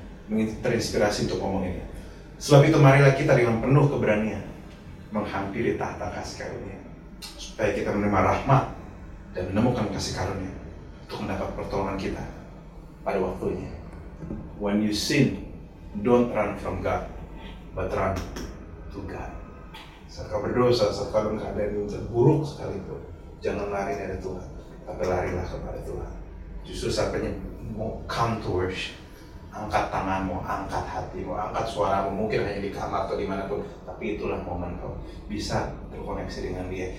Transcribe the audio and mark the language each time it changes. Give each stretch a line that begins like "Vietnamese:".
Indonesian: terinspirasi untuk ngomong ini. Sebab itu marilah kita dengan penuh keberanian menghampiri tahta kasih karunia, supaya kita menerima rahmat dan menemukan kasih karunia untuk mendapat pertolongan kita pada waktunya.
English: When you sin, don't run from God, but run to God.
Indonesian: Saat kau berdosa, saat kau dalam keadaan yang terburuk sekalipun, jangan lari dari Tuhan, tapi larilah kepada Tuhan. Justru saat penyembuh,
English: come to worship.
Indonesian: Angkat tanganmu, angkat hatimu, angkat suaramu, mungkin hanya di kamar atau dimanapun, tapi itulah momen kau bisa terkoneksi dengan Dia.